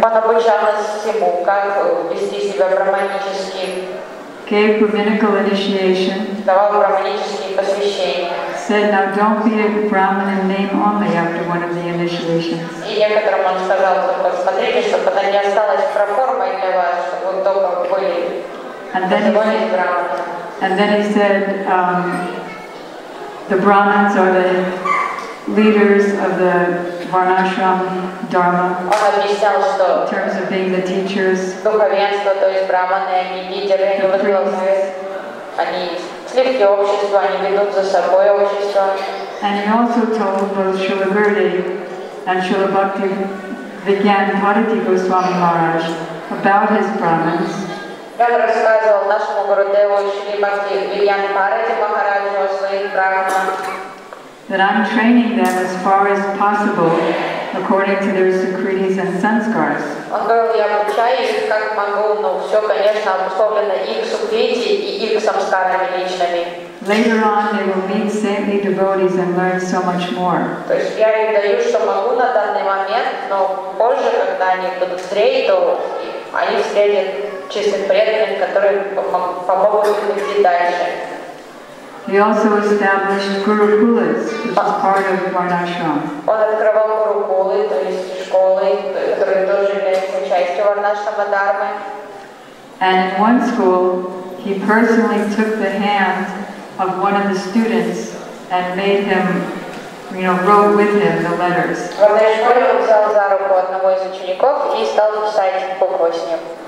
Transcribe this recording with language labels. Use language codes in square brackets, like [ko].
[ru] Он обучал нас всему, как вести себя брахманически. [en] Gave brahminical initiation. [ru] Давал брахманические посвящения. [en] Said, now don't be a Brahmin in name only after one of the initiations. [ru] И некоторым он сказал, посмотрите, чтобы это не осталось проформой для вас, чтобы вы только были. [en] And then he said, the Brahmins are the leaders of the Varnashram Dharma. [ru] Он объяснял, что [en] in terms of being the teachers, [ru] духовенство, то есть Брахманы, они лидеры, они возглавляют, они слепки общества, они ведут за собой общество. [en] And he also told both Śrīla Gaurī and Śrīla Bhakti Vigyan Padati Goswami Maharaj about his Brahmins. [ru] Я рассказывал нашему Гурудеву Шри Бхакти Вигьян Парати Махараджу о своих брахманах. [en] That I'm training them as far as possible according to their sukritis and sanskars. [ru] Он говорил, я обучаю их как могу, но все, конечно, обусловлено их сукрити и их самскарами личными. [en] Later on they will meet saintly devotees and learn so much more. [ru] То есть я им даю, что могу на данный момент, но позже, когда они будут зреть, то они встретят чистых преданных, которые помогут им идти дальше. [en] He also established Gurukulas, which is part of Varnashram. [ru] Он открывал Гурукулы, то есть школы, которые тоже являются частью Варнашрама Дхармы. [en] And in one school, he personally took the hand of one of the students and made him, you know, wrote with him the letters. [ru] В одной школе он взял за руку одного из учеников и стал писать буквы с ним.